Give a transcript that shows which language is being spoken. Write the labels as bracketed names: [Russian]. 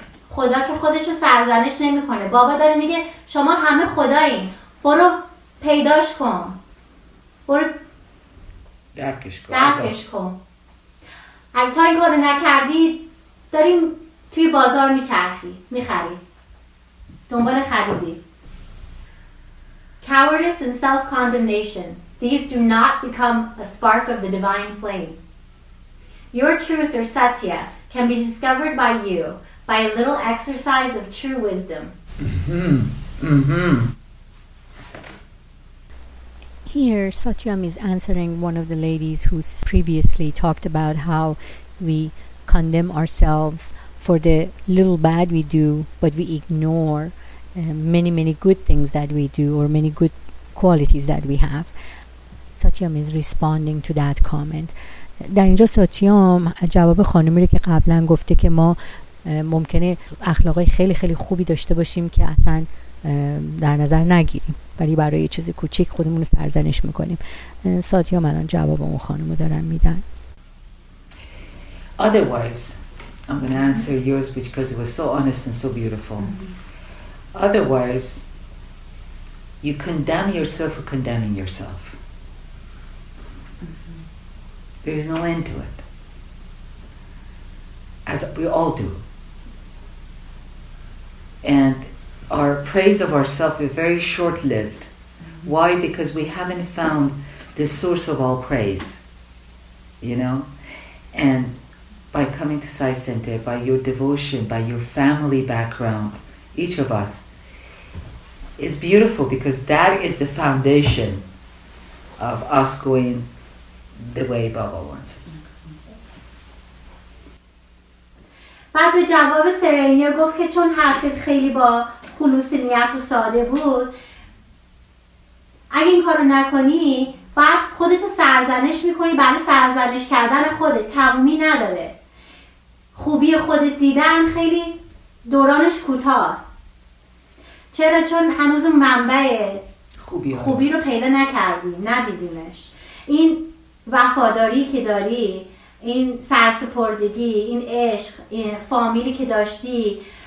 [Persian] خدا که خودش رو سرزنش نمیکنه. بابا داره میگه شما همه خدایین. برو پیداش کن. برو درکش کن. اگه تا این کارو نکردی داریم توی بازار میچرخی میخری دنبال خریدی. [English] Cowardice and self-condemnation, these do not become a spark of the divine flame. Your truth or satya can be discovered by you by a little exercise of true wisdom. Here Satyam is answering one of the ladies who previously talked about how we condemn ourselves for the little bad we do, but we ignore many, many good things that we do or many good qualities that we have. Satyam is responding to that comment. [Persian] در اینجا ساتیام جواب خانمی رو که قبلا گفته که ما ممکنه اخلاقای خیلی خیلی خوبی داشته باشیم که اصلا در نظر نگیریم، ولی برای یه چیز کوچیک خودمون رو سرزنش میکنیم. ساتیام الان جواب اون خانمو دارن میدن. [English] Otherwise, I'm going to answer yours because it was so honest and so beautiful. Otherwise, you condemn yourself for condemning yourself. There is no end to it. As we all do. And our praise of ourselves is very short-lived. Why? Because we haven't found the source of all praise, you know? And by coming to Sai Center, by your devotion, by your family background, each of us, is beautiful because that is the foundation of us going the way Baba wants us. [Persian] بعد جواب سرینیا گفت که چون حرفت خیلی با خلوص نیت و ساده بود اگه این کارو نکنی بعد خودتو سرزنش میکنی برای سرزنش کردن خودت تمومی نداره خوبی خودت دیدن خیلی دورانش کوتاست چرا چون هنوز منبع خوبی رو پیدا نکردی ندیدیمش این وفاداری که داری این سرسپردگی، این عشق، این فامیلی که داشتی